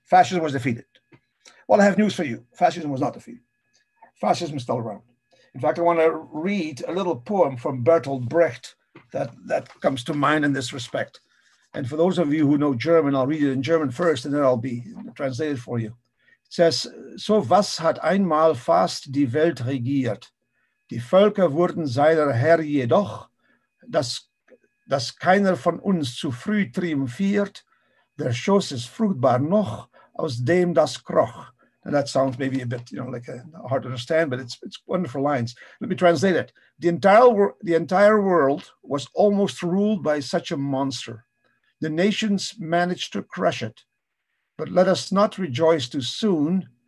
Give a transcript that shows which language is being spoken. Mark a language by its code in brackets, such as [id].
[en] Fascism was defeated. Well, I have news for you. Fascism was not defeated. Fascism is still around. In fact, I want to read a little poem from Bertolt Brecht that comes to mind in this respect. And for those of you who know German, I'll read it in German first, and then I'll be translated for you. It says, [de] so was hat einmal fast die Welt regiert. Die Völker wurden seiner Herr jedoch, dass keiner von uns zu früh triumphiert. Der Schoß ist fruchtbar noch, aus dem das kroch. [en] And that sounds maybe a bit, you know, like a hard to understand, but it's wonderful lines. Let me translate it. The entire world was almost ruled by such a monster. The nations managed to crush it. But let us not rejoice too soon.